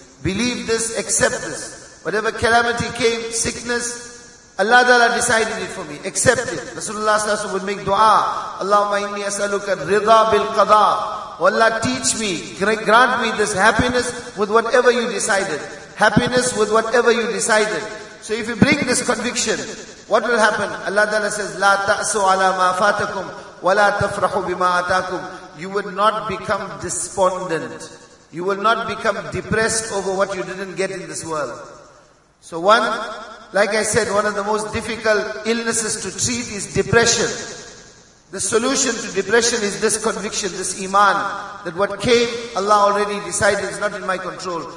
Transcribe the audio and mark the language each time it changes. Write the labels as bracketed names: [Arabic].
[English] Believe this, accept this. Whatever calamity came, sickness, Allah Ta'ala decided it for me. Accept it. Rasulullah would make dua. Allahumma inni as'aluka rida bil qada. Allah teach me, grant me this happiness with whatever you decided. Happiness with whatever you decided. So if you bring this conviction, what will happen? [Arabic] Allah Ta'ala says, لَا تَأْسُوا عَلَى مَا فَاتَكُمْ وَلَا تَفْرَحُوا بِمَا آتَاكُمْ. [English] You will not become despondent. You will not become depressed over what you didn't get in this world. So one, like I said, one of the most difficult illnesses to treat is depression. The solution to depression is this conviction, this iman, that what came, Allah already decided, is not in my control.